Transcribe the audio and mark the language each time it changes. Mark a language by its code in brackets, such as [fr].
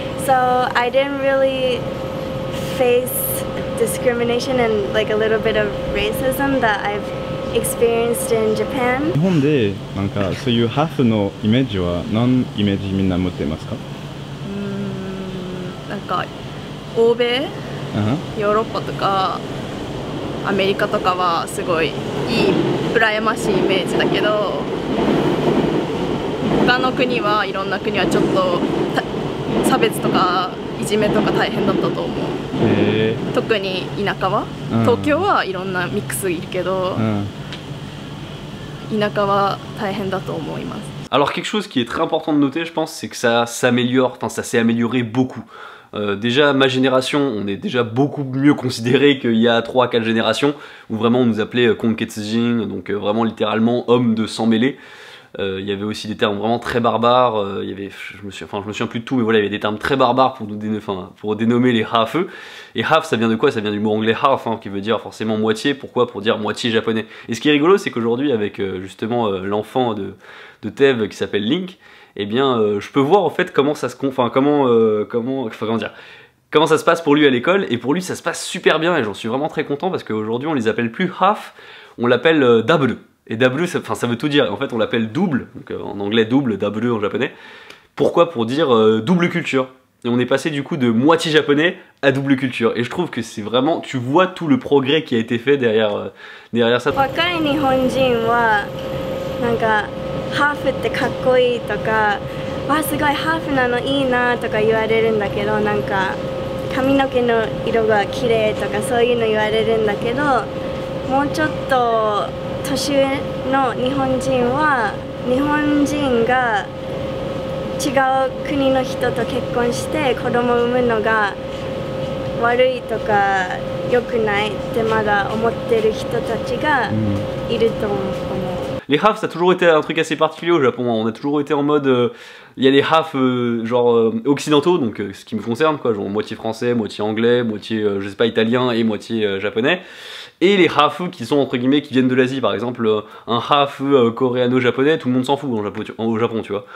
[en] So I didn't really face discrimination and like a little bit of racism that I've experienced in Japan. [ja] 日本でなんかそういうハーフのイメージは何イメージみんな持ってますか？なんか欧米、ヨーロッパとかアメリカとかはすごいいい羨ましいイメージだけど、他の国はいろんな国はちょっと差別とかいじめとか大変だったと思う。特に田舎は、東京はいろんなミックスいるけど、田舎は大変だと思います。 [fr] Alors quelque chose qui est très important de noter, je pense, c'est que ça s'améliore, enfin ça s'est amélioré beaucoup. Déjà ma génération, on est déjà beaucoup mieux considéré qu'il y a 3-4 générations où vraiment on nous appelait Konketsujin, donc vraiment littéralement homme de sang mêlé. Il y avait aussi des termes vraiment très barbares, il y avait des termes très barbares pour, nous pour dénommer les hafe. Et half, ça vient de quoi? Ça vient du mot anglais half, hein, qui veut dire forcément moitié. Pourquoi? Pour dire moitié japonais. Et ce qui est rigolo, c'est qu'aujourd'hui, avec justement l'enfant de Tev qui s'appelle Link, eh bien, je peux voir en fait comment ça se... Comment ça se passe pour lui à l'école, et pour lui ça se passe super bien, et j'en suis vraiment très content parce qu'aujourd'hui on les appelle plus half, on l'appelle double. Et double, ça veut tout dire. En fait, on l'appelle double, donc en anglais double, double en japonais. Pourquoi? Pour dire double culture. Et on est passé du coup de moitié japonais à double culture. Et je trouve que c'est vraiment... Tu vois tout le progrès qui a été fait derrière, derrière ça. [ja] Half ってかっこいいとか、わすごいハーフなのいいなとか言われるんだけど、なんか髪の毛の色が綺麗とかそういうの言われるんだけど、もうちょっと年上の日本人は、日本人が違う国の人と結婚して子供を産むのが悪いとか良くないってまだ思ってる人たちがいると思う。 [fr] Les half, ça a toujours été un truc assez particulier au Japon. On a toujours été en mode, il y a les half genre occidentaux, donc ce qui me concerne, quoi, genre moitié français, moitié anglais, moitié je sais pas italien et moitié japonais. Et les half qui sont entre guillemets qui viennent de l'Asie, par exemple un half coréano-japonais, tout le monde s'en fout au Japon, tu vois.